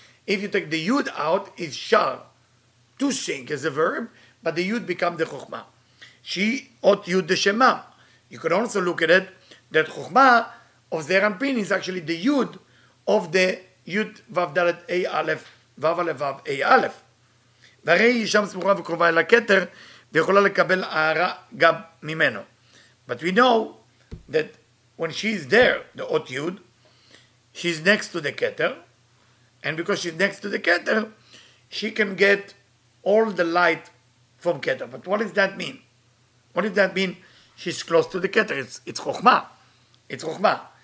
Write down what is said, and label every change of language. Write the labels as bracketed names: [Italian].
[English] If you take the Yud out, it's Shar, to sing as a verb, but the Yud becomes the Chokhmah. She ot Yud the Shema. You can also look at it, that Chokhmah of the Aran Pin is actually the Yud of the Yud Vav Dalet Ei Aleph, Vav Aleph Vav Ei Aleph. [Hebrew] והרי היא שם סמוכה וקרובה אל הכתר, ויכולה לקבל הערה גם ממנו. [English] But we know that when she is there, the Ot Yud, she is next to the Keter, and because she is next to the Keter, she can get all the light from Keter. But what does that mean? What does that mean? She's close to the Keter. It's Chokhmah. It's Chokhmah.